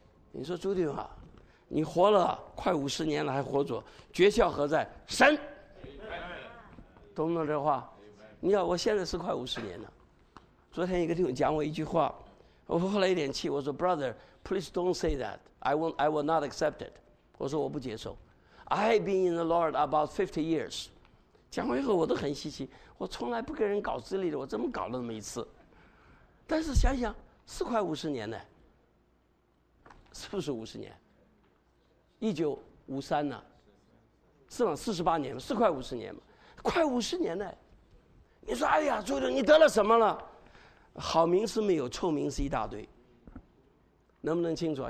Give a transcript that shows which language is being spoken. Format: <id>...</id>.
<zh>你说朱弟兄啊，你活了快五十年了还活着，诀窍何在？神，懂不懂这话？你看我现在是快五十年了，昨天一个弟兄讲我一句话，我后来一点气，我说</zh> <en>brother please don't say that, I will not accept it.</en> <zh>我说我不接受。</zh> <en>I've been in the Lord about 50 years.</en> <zh>讲完以后我都很稀奇，我从来不跟人搞资历的，我怎么搞了那么一次？但是想想是快五十年呢，是不是五十年？ 1953呢，是吗？48年，是快五十年吗？快五十年呢。你说哎呀朱总，你得了什么了？好名是没有，臭名是一大堆，能不能清楚啊？</zh>